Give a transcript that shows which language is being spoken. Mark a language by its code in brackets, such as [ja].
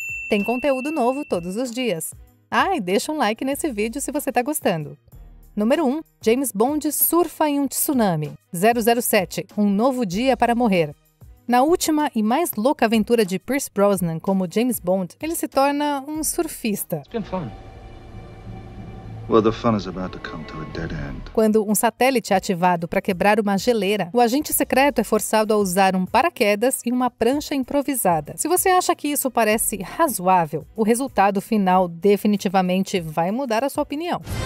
[pt] Tem conteúdo novo todos os dias. Ah, e deixa um like nesse vídeo se você está gostando. Número 1. James Bond surfa em um tsunami. 007. Um novo dia para morrer. Na última e mais louca aventura de Pierce Brosnan como James Bond, ele se torna um surfista. [en] It's been fun. Well, the fun is about to come to a dead end. [pt] Quando um satélite é ativado para quebrar uma geleira, o agente secreto é forçado a usar um paraquedas e uma prancha improvisada. Se você acha que isso parece razoável, o resultado final definitivamente vai mudar a sua opinião.